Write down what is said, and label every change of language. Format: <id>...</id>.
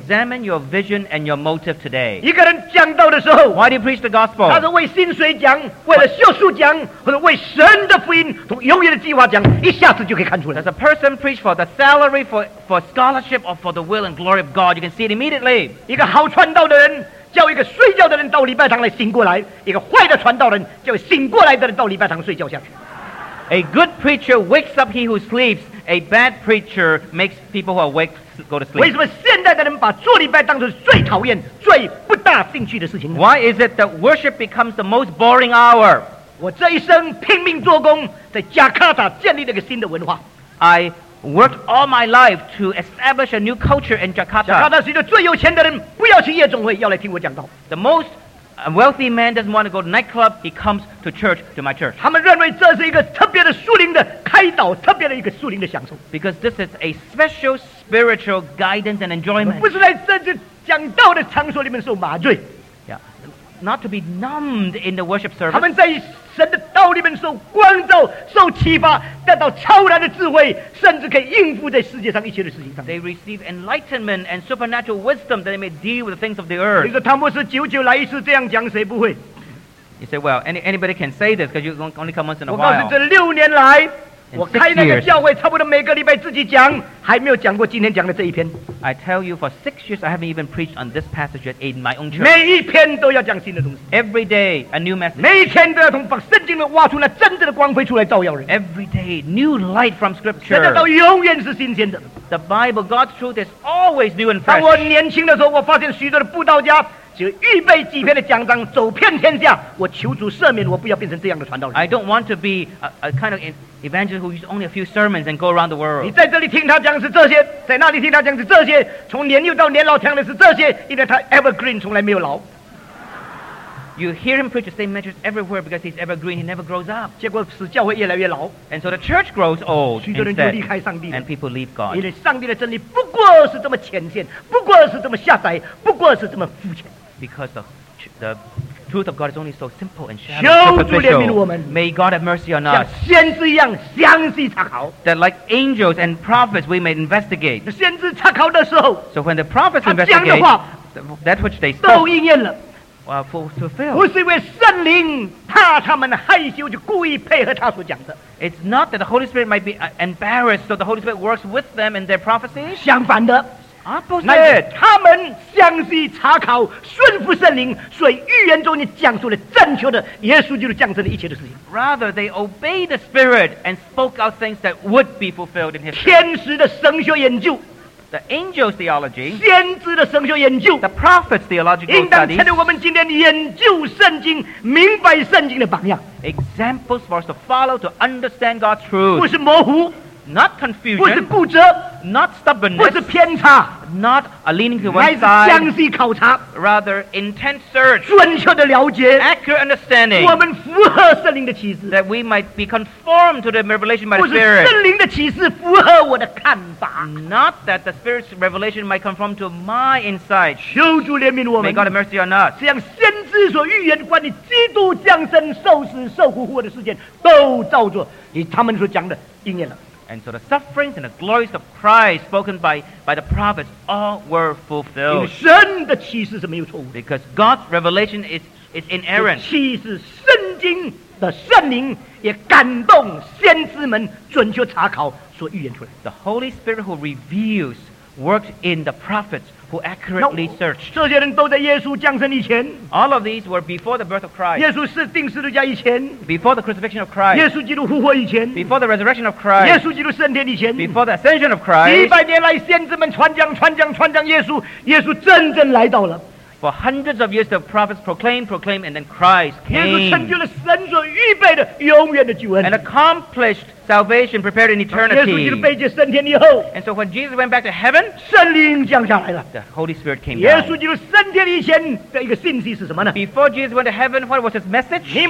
<en>？Examine your vision and your motive today.</en> <zh>一个人讲道的时候</zh> <en>，Why do you preach the gospel?</en> <zh>他是为薪水讲，为了秀数讲，或者为神的福音从永远的计划讲，一下子就可以看出来。</zh> <en>Does a person preach for the salary, for scholarship, or for the will and glory of God? You can see it immediately.</en> <zh>一个好传道的人叫一个睡觉的人到礼拜堂来醒过来，一个坏的传道人叫醒过来的人到礼拜堂睡觉下去。</zh> <en>A good preacher wakes up he who sleeps. A bad preacher makes people who are awake.</en> <zh>为什么现代的人把做礼拜当成最讨厌、最不大兴趣的事情呢</zh> <en>？Why is it that worship becomes the most boring hour？</en> <zh>我这一生拼命做工，在加卡塔建立了个新的文化。</zh> <en>I worked all my life to establish a new culture in Jakarta。</en> <zh>加卡塔是一个最有钱的人不要去夜总会，要来听我讲道。</zh> <en>The most wealthy man doesn't want to go to nightclub. He comes to church, to my church.</en> <zh>他们认为这是一个特别的属灵的开导，特别的一个属灵的享受。</zh> <en>Because this is a special spiritual guidance and enjoyment.</en> <zh>不是在甚至讲道的场所里面受麻醉。</zh> <en>Yeah, not to be numbed in the worship service.</en> <zh>他们在神的道里面受光照、受启发，得到超然的智慧，甚至可以应付在世界上一切的事情上。</zh> <en>They receive enlightenment and supernatural wisdom that they may deal with the things of the earth.</en> <zh>你说汤姆斯九九来一次这样讲，谁不会</zh> <en>？You say, well, anybody can say this because you only come once in a while.</en> <zh>我告诉你，这六年来。我开那个教会差不多每个礼拜自己讲还没有讲过今天讲的这一篇</zh> <en>I tell you for 6 years I haven't even preached on this passage yet in my own church</en> <zh>每一篇都要讲新的东西</zh> <en>Every day a new message</en> <zh>每一天都要从圣经里挖出那真正的光辉出来照耀人</zh> <en>Every day new light from scripture</en> <zh>真的都永远是新鲜的</zh> <en>The Bible God's truth is always new and fresh</en> <zh>当我年轻的时候我发现许多的布道家就预备几篇的讲章走遍天下我求主赦免我不要变成这样的传道人</zh> <en>I don't want to be a kind of evangelist who use only a few sermons and go around the world</en> <zh>你在这里听他讲是这些在那里听他讲是这些从年幼到年老讲的是这些因为他 evergreen 从来没有老</zh> <en>You hear him preach the same message everywhere because he's evergreen he never grows up</en> <zh>结果使教会越来越老</zh> <en>And so the church grows old</en> <zh>许多人就离开上帝</zh> <en>And people leave God</en> <zh>因为上帝的真理不过是这么浅显不过是这么狭窄不过是这么肤浅</zh> <en>Because the truth of God is only so simple and superficial. May God have mercy on us.</en> <zh>先知一样详细查考</zh> <en>That like angels and prophets, we may investigate.</en> <zh>先知查考的时候</zh> <en>So when the prophets investigate,</en> <zh>他讲的话</zh> <en>that which they spoke,</en> <zh>都应验了</zh> <en>well, fulfilled.</en> <zh>不是因为圣灵怕他们害羞就故意配合他所讲的</zh> <en>It's not that the Holy Spirit might be embarrassed, so the Holy Spirit works with them in their prophecy.</en> <zh>相反的那他们相信查考顺服圣灵所以预言中你讲出了正确的耶稣基督降生的一切的事情</zh> <en>Rather they obey the spirit and spoke out things that would be fulfilled in history</en> <zh>天使的神学研究</zh> <en>The angel's theology</en> <zh>先知的神学研究</zh> <en>The prophet's theological studies</en> <zh>应当趁着我们今天研究圣经明白圣经的榜样</zh> <en>Examples for us to follow to understand God's truth</en> <zh>不是模糊</zh> <en>Not confusion</en> <zh>不是固执</zh> <en>Not stubbornness,</en> <zh>不是偏差</zh> <en>not a leaning to one side,</en> <zh>乃是详细考察</zh> <en>rather intense search,</en> <zh>准确的了解</zh> <en>accurate understanding,</en> <zh>我们符合圣灵的启示</zh> <en>that we might be conformed to the revelation by the Spirit,</en> <zh>不是圣灵的启示符合我的看法</zh> <en>not that the Spirit's revelation might conform to my insight,</en> <zh>求主怜悯我们</zh> <en>may God have mercy on us,</en> <zh>这样先知所预言关于基督降生受死受苦活的事件都照着以他们所讲的应验了</zh> <en>And so the sufferings and the glories of Christ spoken by the prophets all were fulfilled.</en> <zh>神的启示是没有错误。</zh> <en>Because God's revelation is inerrant.</en> <zh>启示圣经的圣灵也感动先知们准确查考所预言出来。</zh> <en>The Holy Spirit who reveals worked in the prophets who accurately searched.</en> <zh>这些人都在耶稣降生以前,</zh> <en>All of these were before the birth of Christ.</en> <zh>耶稣钉十字架以前,</zh> <en>before the crucifixion of Christ.</en> <zh>耶稣基督复活以前,</zh> <en>before the resurrection of Christ.</en> <zh>耶稣基督升天以前,</zh> <en>before the ascension of Christ.</en> <zh>几百年来先知们传讲耶稣真正来到了。</zh> <en>For hundreds of years, the prophets proclaimed, and then Christ came and accomplished salvation prepared in eternity. And so when Jesus went back to heaven, the Holy Spirit came down. Before Jesus went to heaven, what was his message?</en>